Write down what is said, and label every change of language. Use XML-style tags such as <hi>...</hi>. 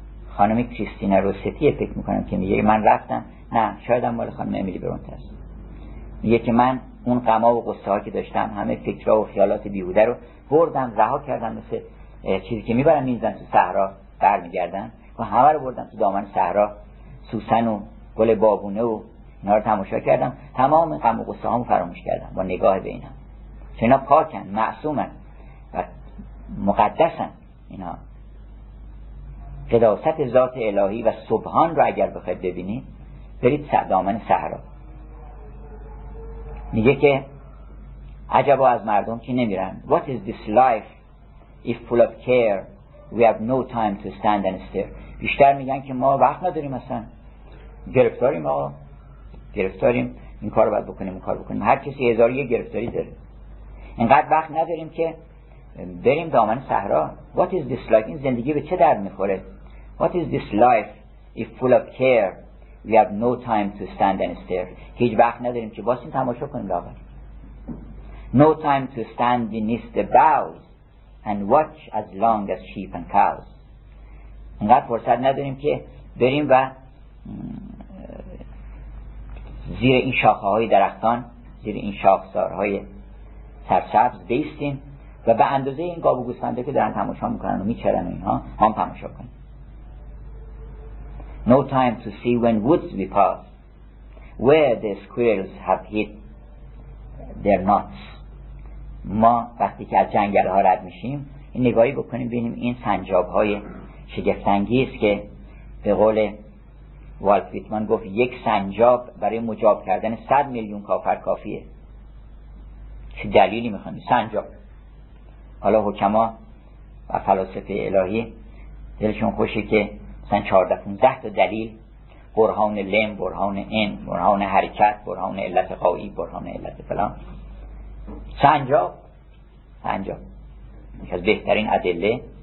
<fa>خانم کریستینا روسیتی فکر میکنم که میگه من رفتم، نه شاید هم مال خانم امیلی برونت هست، میگه که من اون غما و قصه ها که داشتم، همه فکرها و خیالات بیهوده رو بردم رها کردم، مثل چیزی که میبرم میزن تو صحرا برمیگردم، و همه رو بردم تو دامن صحرا، سوسن و گل بابونه و اینا رو تماشا کردم، تمام غم و قصه هامو فراموش کردم با نگاه به اینا، چون اینا پاکن، معصومن و مقدسن. اینا قداست ذات الهی و سبحان رو اگر بخواید ببینید برید دامن صحرا. میگه که عجبا از مردم که نمیرن.</fa> <en>What is this life if full of care we have no time to stand and stare.</en> <fa>بیشتر میگن که ما وقت نداریم، اصلا گرفتاریم، آقا گرفتاریم، این کار رو باید بکنیم، این کار بکنیم، هر کسی هزار یه گرفتاری داره، اینقدر وقت نداریم که بریم دامن صحرا.</fa> <en>What is this life،</en> <fa>این زندگی به چه درد میخوره؟</fa> <en>What is this life if full of care we have no time to stand and stare.</en> <fa>هیچ وقت نداریم که باسیم تماشا کنیم لاغر.</fa> <en>No time to stand beneath the boughs and watch as long as sheep and cows.</en> <fa>اینقدر فرصت نداریم که بریم و زیر این شاخه های درختان، زیر این شاخسار های سرسبز بیستیم و به اندازه این گاو و گوسفنده که دارن تماشا میکنن و میچرن اینها هم تماشا کنیم.</fa> <en>No time to see when woods we pass, where the squirrels have hid their nuts.</en> <fa>ما وقتی که از جنگل ها رد میشیم این نگاهی بکنیم ببینیم این سنجاب های شگفت انگیز که به قول والت ویتمن گفت یک سنجاب برای مجاب کردن 100 میلیون کافر کافیه. چه دلیلی میخوانی سنجاب؟ حالا حکما و فلاسفه الهی دلشون خوشه که مثلا 14-15 تا دلیل، برهان لم، برهان ان، برهان حرکت، برهان علت قایی، برهان علت فلان، سنجاب، سنجاب یکی از بهترین ادله.</fa>